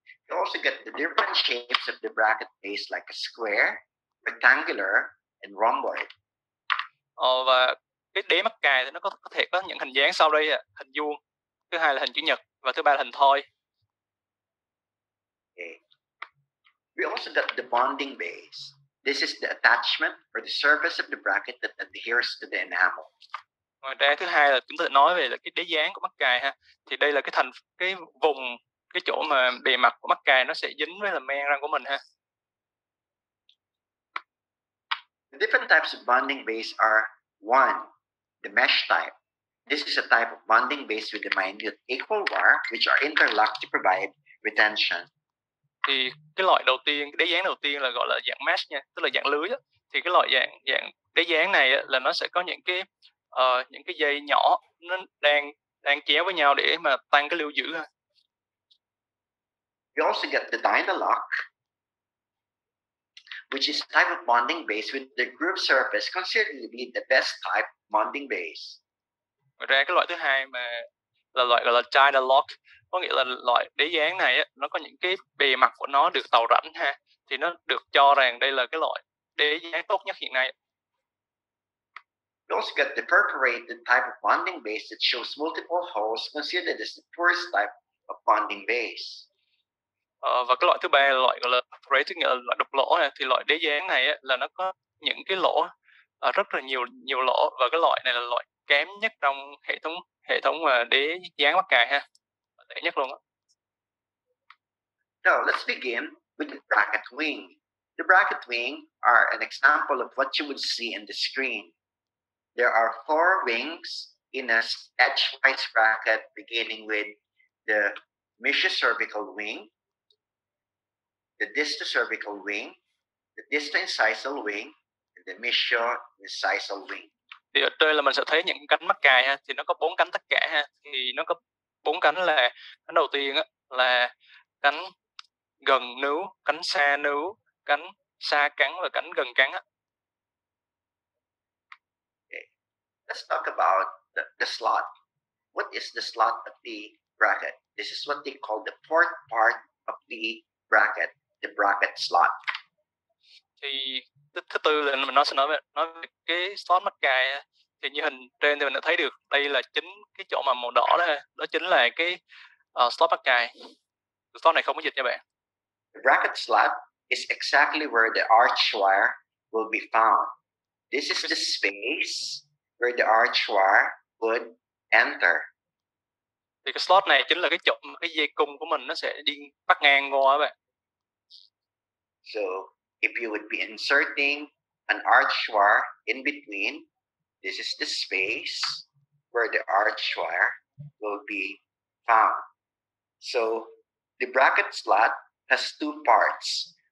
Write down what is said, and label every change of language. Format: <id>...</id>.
<en>You also get the different shapes of the bracket base like a square, rectangular, and rhomboid.</en> <vi>Và cái đế mắc cài thì nó có thể có những hình dáng sau đây ạ, hình vuông. Thứ hai là hình chữ nhật và thứ ba là hình thoi.</vi> <en>Okay. We also got the bonding base. This is the attachment or the surface of the bracket that adheres to the enamel.</en> <vi>Ngoài ra thứ hai là chúng ta nói về là cái đế dán của mắc cài ha. Thì đây là cái thành cái vùng cái chỗ mà bề mặt của mắc cài nó sẽ dính với là men răng của mình ha.</vi> <en>The different types of bonding base are: one, the mesh type. This is a type of bonding base with a minute equal wire, which are interlocked to provide retention.</en> <vi>Thì cái loại đầu tiên, cái đế dán đầu tiên là gọi là dạng mesh nha, tức là dạng lưới á. Thì cái loại dạng đế dán này á, là nó sẽ có những cái dây nhỏ nó đang chéo với nhau để mà tăng cái lưu giữ ha.</vi> <en>We also get the dynalock, which is a type of bonding base with the groove surface considered to be the best type bonding base.</en> <vi>Ra cái loại thứ hai mà là loại gọi là China lock, có nghĩa là loại đế dán này á, nó có những cái bề mặt của nó được tàu rảnh ha, thì nó được cho rằng đây là cái loại đế dán tốt nhất hiện nay.</vi> <en>You also get the perforated type of bonding base that shows multiple holes, considered as the poorest type of bonding base.</en> <vi>Và cái loại thứ ba là loại gọi là perforated, nghĩa là loại đục lỗ ha. Thì loại đế dán này á, là nó có những cái lỗ rất là nhiều lỗ, và cái loại này là loại kém nhất trong hệ thống đế dán mắc cài ha, tệ nhất luôn á.</vi> <en>So let's begin with the bracket wing. The bracket wing are an example of what you would see in the screen. There are four wings in a edgewise bracket, beginning with the mesiocervical wing, the distocervical wing, the distoincisal wing, and the mesioincisal wing.</en> <vi>Thì ở trên là mình sẽ thấy những cánh mắc cài ha, thì nó có bốn cánh tất cả ha. Thì nó có bốn cánh là cánh đầu tiên á, là cánh gần nướu, cánh xa nướu, cánh xa cắn và cánh gần cắn á.</vi> <en>Okay. Let's talk about the slot. What is the slot of the bracket? This is what they call the fourth part of the bracket slot.</en> <vi>Thì thứ tư là mình nói sẽ nói về cái slot mắc cài. Thì như hình trên thì mình đã thấy được đây là chính cái chỗ mà màu đỏ đó chính là cái slot mắc cài. Slot này không có dịch nha bạn.</vi> <en>The bracket slot is exactly where the arch wire will be found. This is the space where the arch wire would enter.</en> <vi>Thì cái slot này chính là cái chỗ mà cái dây cung của mình nó sẽ đi bắt ngang qua các bạn.</vi> <en>So if you would be inserting an arch wire in between, this is the space where the arch wire will be found. So the bracket slot has two parts.</en>